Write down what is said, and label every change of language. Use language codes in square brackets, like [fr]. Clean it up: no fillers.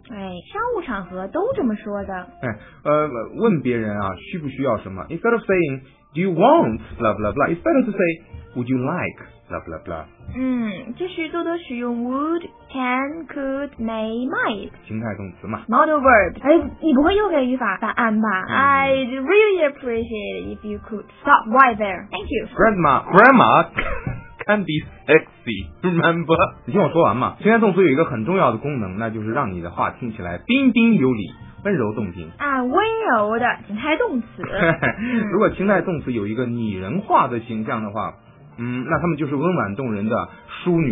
[zh] 哎，商务场合都这么说的。哎，问别人啊，需不需要什么 [en] ？Instead of saying Do you want blah blah blah, it's better to say Would you like. Blah, blah, blah. [zh] 嗯，就是多多使用 would, can, could, may, might 形态动词嘛 [en] Model verb [zh] 哎，你不会又给语法答案吧、 [en] 嗯、I'd really appreciate it if you could stop right there Thank you Grandma can be sexy, remember? [zh] 你听我说完嘛形态动词有一个很重要的功能那就是让你的话听起来彬彬有礼温柔动听啊，温柔的形态动词如果形态动词有一个拟人化的形象的话嗯，那他们就是温婉动人的淑女